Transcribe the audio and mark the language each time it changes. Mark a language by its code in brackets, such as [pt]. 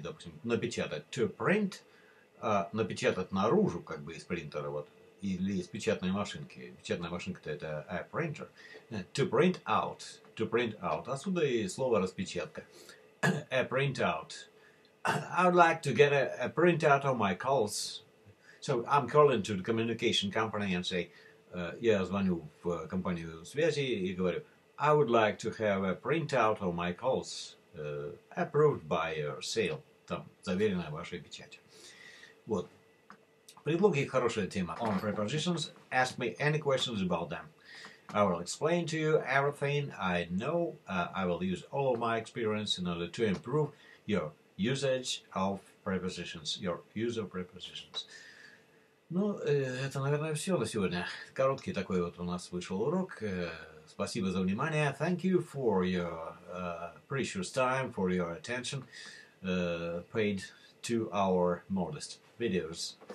[ru] Допустим, напечатать to print, а напечатать наружу, как бы из принтера, вот, или из печатной машинки. Печатная машинка-то это [en] a printer. To print out. To print out. [ru] Отсюда и слово распечатка. [en] A print out. I would like to get a print out of my calls. So I'm calling to the communication company and say, [ru] я звоню в компанию связи и говорю, [en] I would like to have a printout of my calls approved by your sale. [ru] Там, заверенная вашей печатью. Вот. Предлоги – хорошая тема. [en] On prepositions, ask me any questions about them. I will explain to you everything I know. I will use all of my experience in order to improve your usage of prepositions, your use of prepositions. [ru] Ну, это, наверное, все на сегодня. Короткий такой вот у нас вышел урок. Спасибо за внимание. [en] Thank you for your precious time, for your attention paid to our modest videos.